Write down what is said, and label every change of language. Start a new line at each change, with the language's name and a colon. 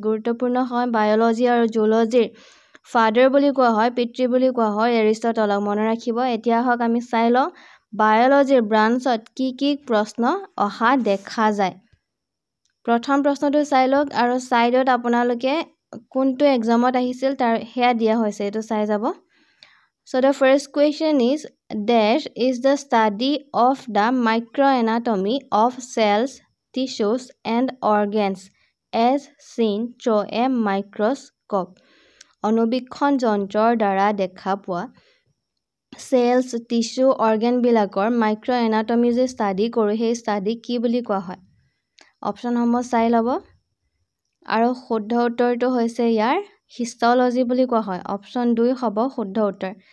Assamese: গুৰুত্বপূৰ্ণ হয় বায়'লজি আৰু জুলজিৰ ফাদাৰ বুলি কোৱা হয়, পিতৃ বুলি কোৱা হয় এৰিষ্টটলক, মনত ৰাখিব। এতিয়া আহক আমি চাই লওঁ বায়'লজিৰ ব্ৰাঞ্চত কি কি প্ৰশ্ন অহা দেখা যায়। প্ৰথম প্ৰশ্নটো চাই লওক আৰু ছাইডত আপোনালোকে কোনটো এক্সামত আহিছিল তাৰ সেয়া দিয়া হৈছে, এইটো চাই যাব।
English: So the first question is, DHS is the study of the microanatomy of cells, tissues and organs as seen through a microscope.
Assamese: অনুবীক্ষণ যন্ত্ৰৰ দ্বাৰা দেখা পোৱা cells, tissue, organবিলাকৰ microanatomy যে study কৰোঁ, সেই study কি বুলি কোৱা হয়, অপশ্যনসমূহ চাই ল'ব। আৰু শুদ্ধ উত্তৰটো হৈছে ইয়াৰ হিষ্টলজি বুলি কোৱা হয়, অপশ্যন দুই হ'ব শুদ্ধ উত্তৰ।